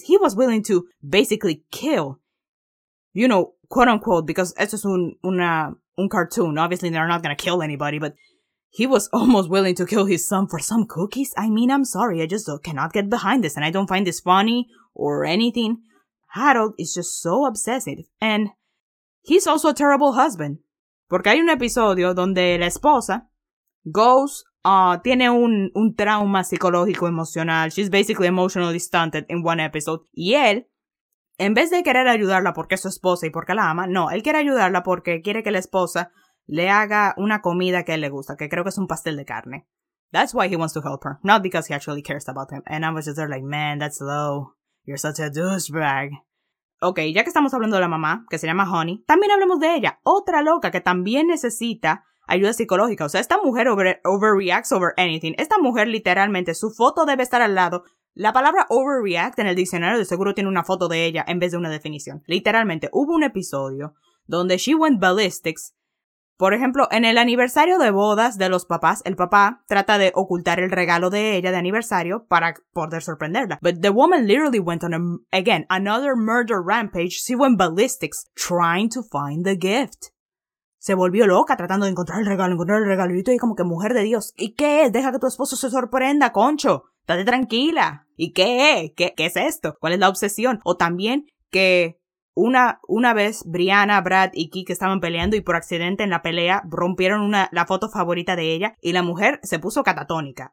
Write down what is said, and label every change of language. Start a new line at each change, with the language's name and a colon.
English: He was willing to basically kill, you know, quote unquote, because
Spanish: esto es un cartoon.
English: Obviously, they're not gonna kill anybody, but he was almost willing to kill his son for some cookies. I mean, I'm sorry, I just cannot get behind this, and I don't find this funny or anything. Harold is just so obsessive, and he's also a terrible husband.
Spanish: Porque hay un episodio donde la esposa goes, tiene un trauma psicológico emocional.
English: She's basically emotionally stunted in one episode.
Spanish: Y él, en vez de querer ayudarla porque es su esposa y porque la ama, no, él quiere ayudarla porque quiere que la esposa le haga una comida que a él le gusta, que creo que es un pastel de carne.
English: That's why he wants to help her, not because he actually cares about him. And I was just there like, man, that's low. You're such a douchebag.
Spanish: Okay, ya que estamos hablando de la mamá, que se llama Honey, también hablemos de ella, otra loca que también necesita ayuda psicológica. O sea, esta mujer
English: overreacts over anything.
Spanish: Esta mujer, literalmente, su foto debe estar al lado. La palabra overreact en el diccionario de seguro tiene una foto de ella en vez de una definición. Literalmente, hubo un episodio donde
English: she went ballistics.
Spanish: Por ejemplo, en el aniversario de bodas de los papás, el papá trata de ocultar el regalo de ella de aniversario para poder sorprenderla.
English: But the woman literally went on, another murder rampage. She went ballistics trying to find the gift.
Spanish: Se volvió loca tratando de encontrar el regalo. Y estoy como que, mujer de Dios, ¿y qué es? Deja que tu esposo se sorprenda, concho. ¡Date tranquila! ¿Y qué? ¿Qué es esto? ¿Cuál es la obsesión? O también que una vez Brianna, Brad y Kick estaban peleando y por accidente en la pelea rompieron la foto favorita de ella y la mujer se puso catatónica.